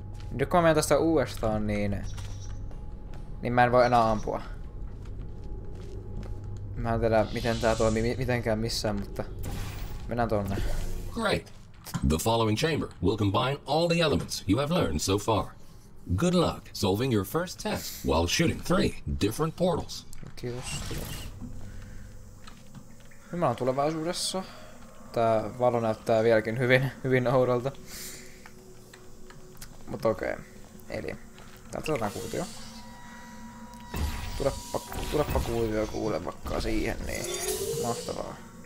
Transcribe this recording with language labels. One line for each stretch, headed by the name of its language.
Finnish: Nyt kun mä menen tästä uudestaan, niin... Niin mä en voi enää ampua. Mä en tiedä, miten tää toimii mitenkään missään, mutta... Mennään tonne.
English: Great. The following chamber will combine all the elements you have learned so far. Good luck solving your first test while shooting three different portals.
Finnish: Kiitos. Mä oon tulevaisuudessa. Tää valo näyttää vieläkin hyvin oudolta. Mut okei. Eli täältä otetaan kuutio. Tuleppa kuutio kuule vaikka siihen, niin mahtavaa.